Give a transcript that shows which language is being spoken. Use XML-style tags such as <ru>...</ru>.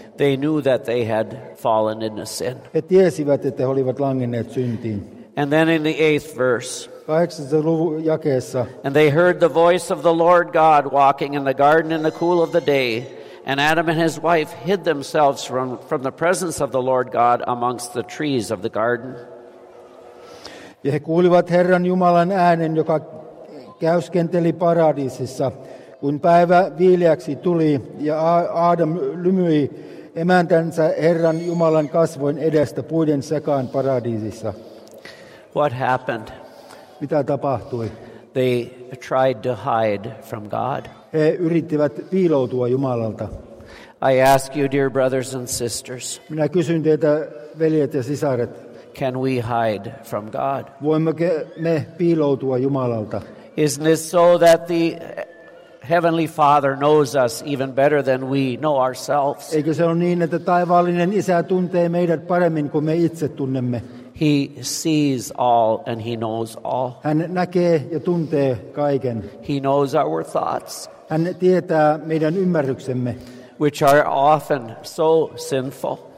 <en>They knew that they had fallen into sin.</en> <fi>He tiesivät, että he olivat langenneet syntiin.</fi> <en>And then in the eighth verse.</en> <fi>8. luvun jakeessa.</fi> <en>And they heard the voice of the Lord God walking in the garden in the cool of the day. And Adam and his wife hid themselves from the presence of the Lord God amongst the trees of the garden.</en> <fi>Ja he kuulivat Herran Jumalan äänen, joka käyskenteli paratiisissa. Kun päivä viileäksi tuli ja Adam lymyi emäntänsä Herran Jumalan kasvojen edestä puiden sekaan paratiisissa.</fi> <en>What happened?</en> <fi>Mitä tapahtui?</fi> <en>They tried to hide from God.</en> <fi>He yrittivät piiloutua Jumalalta.</fi> <en>I ask you, dear brothers and sisters.</en> <fi>Minä kysyn teitä, veljet ja sisaret.</fi> <en>Can we hide from God?</en> <fi>Voimmeko me piiloutua Jumalalta?</fi> <en>Isn't it so that the Heavenly Father knows us even better than we know ourselves?</en> <fi>Eikö se ole niin, että taivaallinen Isä tuntee meidät paremmin kuin me itse tunnemme?</fi> <en>He sees all and he knows all.</en> <fi>Hän näkee ja tuntee kaiken.</fi> <en>He knows our thoughts.</en> <fi>Hän tietää meidän ymmärryksemme.</fi> <en>Which are often so sinful.</en>